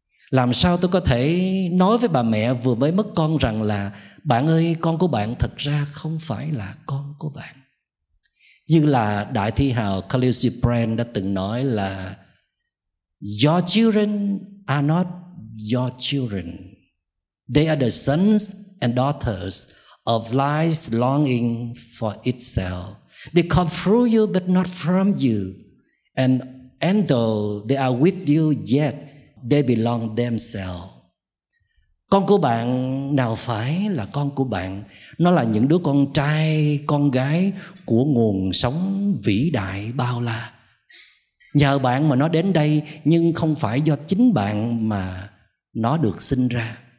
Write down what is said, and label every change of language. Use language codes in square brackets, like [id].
[vi] Làm sao tôi có thể nói với bà mẹ vừa mới mất con rằng là: bạn ơi, con của bạn thật ra không phải là con của bạn. Như là đại thi hào Khalil Gibran đã từng nói là: [en] your children are not your children. They are the sons and daughters of life's longing for itself. They come through you but not from you. And though they are with you, yet they belong themselves. [vi] Con của bạn nào phải là con của bạn? Nó là những đứa con trai, con gái của nguồn sống vĩ đại bao la. Nhờ bạn mà nó đến đây, nhưng không phải do chính bạn mà nó được sinh ra.